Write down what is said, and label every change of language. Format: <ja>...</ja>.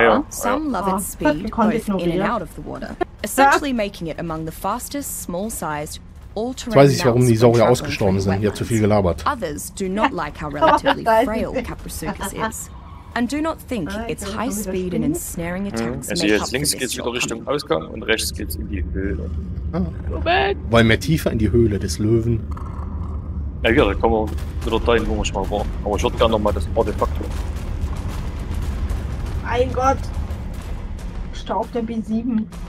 <en>Some love its speed, both in and out of the water, essentially making it among the fastest, small-sized,</en> <de>jetzt weiß ich, warum die Saurier ausgestorben sind. Hier zu viel gelabert.</de> <en>Others do not like how relatively frail Caprosuchus is. And do not think its high speed and ensnaring attacks</en> <de>also jetzt links geht es wieder Richtung Ausgang und rechts geht es in die Höhle. Moment! Wollen wir tiefer in die Höhle des Löwen? Ja, wir kommen wieder dahin, wo wir schon mal waren. Aber ich würde gerne nochmal das Artefakt holen. Mein Gott! Staub der B7.</de>